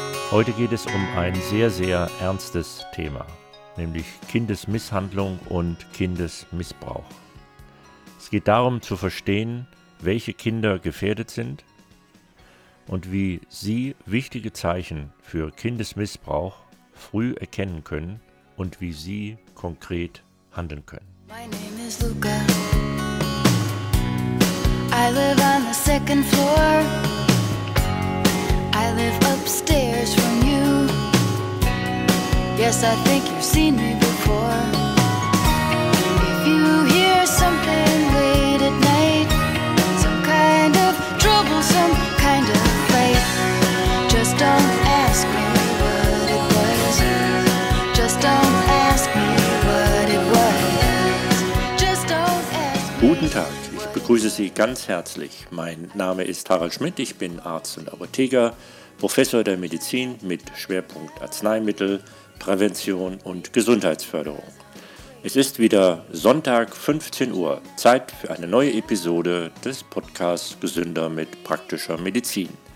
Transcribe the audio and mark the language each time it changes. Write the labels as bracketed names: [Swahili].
[German] Heute geht es um ein sehr, sehr ernstes Thema, nämlich Kindesmisshandlung und Kindesmissbrauch. Es geht darum zu verstehen, welche Kinder gefährdet sind und wie Sie wichtige Zeichen für Kindesmissbrauch früh erkennen können und wie Sie konkret handeln können. [English] My name is Luca. I live on the second floor. I live upstairs from you. Yes, I think you've seen me before. If you hear something late at night, some kind of trouble, some kind of fight, just don't ask me what it was. Just don't ask me what it was. Just don't ask me. [German] Guten Tag. Ich begrüße Sie ganz herzlich. Mein Name ist Harald Schmidt, ich bin Arzt und Apotheker, Professor der Medizin mit Schwerpunkt Arzneimittel, Prävention und Gesundheitsförderung. Es ist wieder Sonntag, 15 Uhr, Zeit für eine neue Episode des Podcasts Gesünder mit praktischer Medizin.